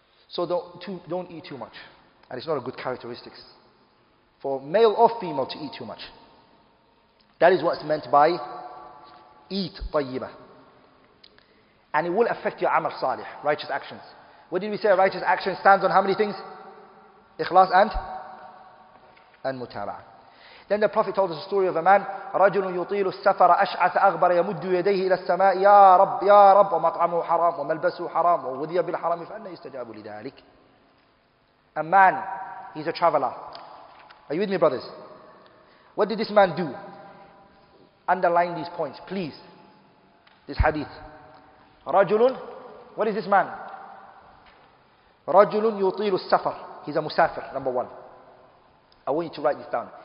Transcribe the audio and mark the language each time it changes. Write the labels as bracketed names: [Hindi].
[English] So don't eat too much. And it's not a good characteristics for male or female to eat too much. That is what's meant by eat tayyibah. And it will affect your amal salih, righteous actions. What did we say? A righteous action stands on how many things? Ikhlas and mutaba'ah. Then the Prophet told us a story of a man, [Arabic] رَجُلٌ يُطِيلُ السَّفَرَ أَشْعَثَ أَغْبَرَ يَمُدُّ يَدَيْهِ إِلَى السَّمَاءِ يَا رَبِّ وَمَطْعَمُهُ حَرَامٌ وَمَلْبَسُهُ حَرَامٌ وَوُذِيَ بِالْحَرَامِ فَأَنَّ يُسْتَجَابُ لِذَلِكَ. [English] A man, he's a traveler. Are you with me, brothers? What did this man do? Underline these points, please. This hadith. رَجُلٌ, what is this man? [Arabic] رَجُلٌ يُطِيلُ السَّفَرَ. [English] He's a musafir, number one. I want you to write this down.